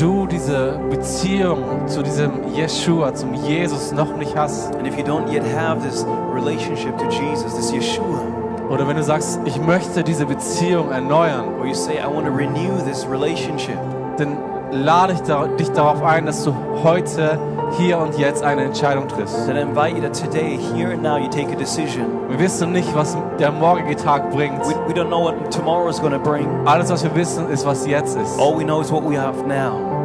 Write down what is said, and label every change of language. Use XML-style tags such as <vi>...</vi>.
<de>diese Beziehung zu diesem Yeshua, zum Jesus noch nicht hast,</de> <en>and if you don't yet have this relationship to Jesus, this Yeshua,</en> <de>oder wenn du sagst, ich möchte diese Beziehung erneuern,</de> <en>or you say, I want to renew this relationship,</en> <de>dann lade ich dich darauf ein, dass du heute hier und jetzt eine Entscheidung triffst.</de> <en>Then I invite you that today, here and now, you take a decision.</en> <de>Wir wissen nicht, was der morgige Tag bringt.</de> <en>We don't know what tomorrow is going to bring.</en> <de>Alles, was wir wissen, ist, was jetzt ist.</de> <en>All we know is what we have now.</en>